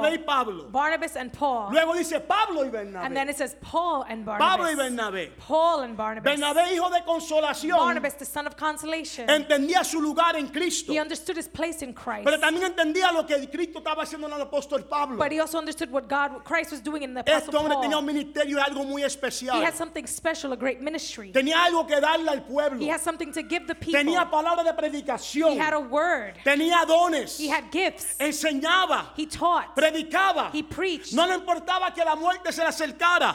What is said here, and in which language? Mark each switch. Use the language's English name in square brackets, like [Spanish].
[Spanish] Bernabé y Pablo. [English] Barnabas and Paul. [Spanish] Luego dice Pablo y Bernabé. [English] And then it says Paul and Barnabas. [Spanish] Pablo y Bernabé. [English] Paul and Barnabas. [Spanish] Bernabé, hijo de consolación. [English] Barnabas, the son of consolation. [Spanish] Entendía su lugar en Cristo. [English] He understood his place in Christ. [Spanish] Pero también entendía lo que Cristo estaba haciendo en el apóstol Pablo. [English] But he also understood what God, what Christ was doing in the apostle Paul. [Spanish] Este hombre tenía un ministerio, algo muy especial. [English] He had something special, a great ministry. [Spanish] Tenía algo que darle al pueblo. [English] He had something to give the people. [Spanish] Tenía palabra de predicación. [English] He had a word. [Spanish] Tenía dones. [English] He had gifts. [Spanish] Enseñaba. [English] He taught. [Spanish] Predicaba. [English] He preached. [Spanish] No le importaba que la muerte se le acercara.